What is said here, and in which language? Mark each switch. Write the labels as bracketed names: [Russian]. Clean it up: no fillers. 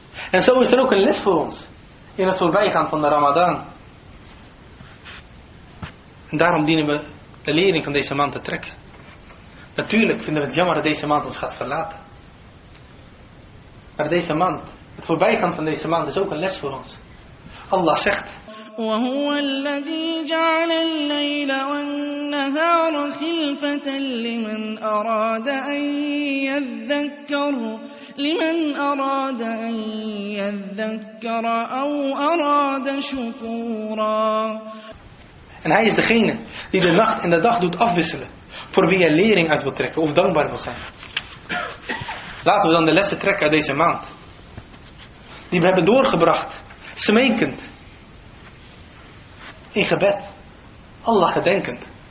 [Dutch] En zo is er ook een les voor ons in het voorbijgaan van de Ramadan. En daarom dienen we de lering van deze maand te trekken. Natuurlijk vinden we het jammer dat deze maand ons gaat verlaten. Maar deze maand, het voorbijgaan van deze maand is ook een les voor ons. Allah zegt: [Arabic] وهو الذي جعل الليل والنهار خلفة لمن أراد أن يذكر أو أراد شكورا. [Dutch] En hij is degene die de nacht en de dag doet afwisselen voor wie hij lering uit wil trekken of dankbaar wil zijn. Laten we dan de lessen trekken uit deze maand die we hebben doorgebracht smekend in gebed, Allah gedenkend.